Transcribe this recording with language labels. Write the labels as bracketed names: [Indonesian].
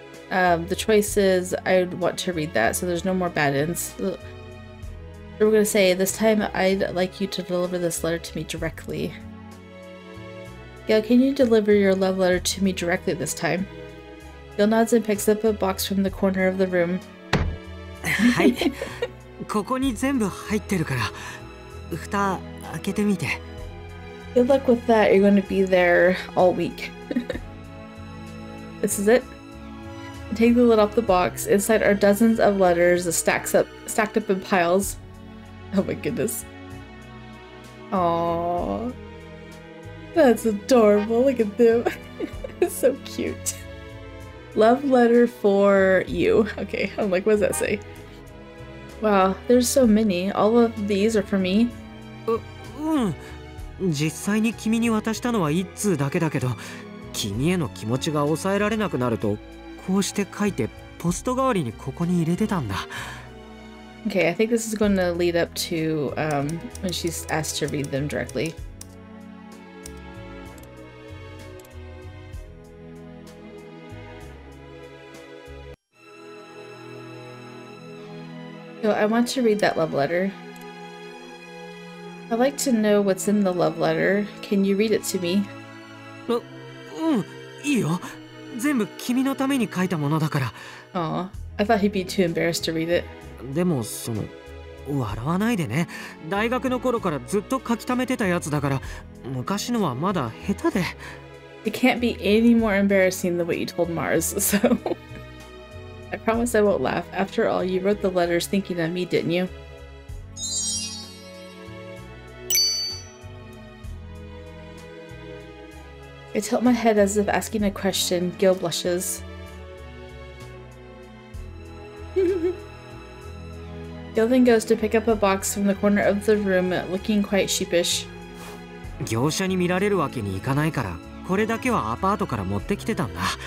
[English] The choice is I'd want to read that, so there's no more bad ends. We were gonna say, this time, I'd like you to deliver this letter to me directly. Gill, can you deliver your love letter to me directly this time? Gill nods and picks up a box from the corner of the room. Hi. [Japanese] ここに全部入ってるから、蓋開けてみて。 [English] Good luck with that. You're going to be there all week. This is it. Take the lid off the box. Inside are dozens of letters stacked up in piles. Oh my goodness. Aww. That's adorable. Look at them. It's so cute. Love letter for you. Okay, I'm like, what does that say? Wow, there's so many. All of these are for me. [Japanese] うん。実際に君に渡したのは一通だけだけど、君への気持ちが抑えられなくなると、こうして書いてポスト代わりにここに入れてたんだ。 [English] Okay, I think this is going to lead up to when she's asked to read them directly. So I want to read that love letter. I'd like to know what's in the love letter. Can you read it to me? [Japanese] いいよ。全部君のために書いたものだから。 [English] Aw, I thought he'd be too embarrassed to read it. [Japanese] でもその、笑わないでね。大学の頃からずっと書き溜めてたやつだから、昔のはまだ下手で。 [English] It can't be any more embarrassing than what you told Mars, so... I promise I won't laugh. After all, you wrote the letters thinking of me, didn't you? I tilt my head as if asking a question. Gill blushes. Gill then goes to pick up a box from the corner of the room, looking quite sheepish. [Japanese] 業者に見られるわけにいかないから、これだけはアパートから持ってきてたんだ。